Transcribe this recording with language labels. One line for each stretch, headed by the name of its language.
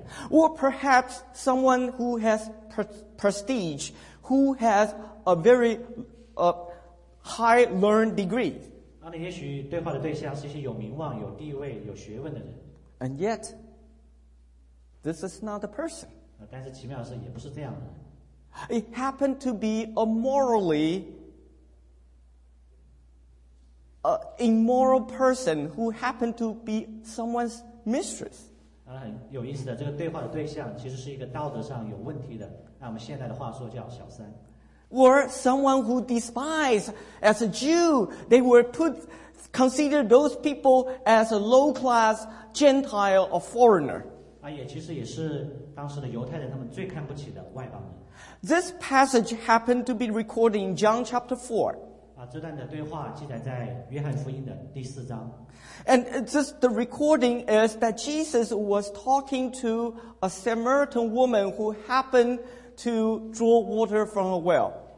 English: Or perhaps someone who has prestige, who has a very high learned degree.
Chinese: 那也许对话的对象是一些有名望、有地位、有学问的人。
English: And yet, this is not the person.
Chinese: 但是奇妙的是也不是这样的人。
English: It happened to be a morally immoral person who happened to be someone's mistress.
Chinese: 很有意思的，这个对话的对象其实是一个道德上有问题的。那我们现在的话说叫小三。
English: Or someone who despised as a Jew, they were considered those people as a low class Gentile or foreigner.
Chinese: 其实也是当时的犹太人他们最看不起的外邦人。
English: This passage happened to be recorded in John chapter 4.
Chinese: 这段的对话记载在约翰福音的第四章。
English: And just the recording is that Jesus was talking to a Samaritan woman who happened to draw water from a well.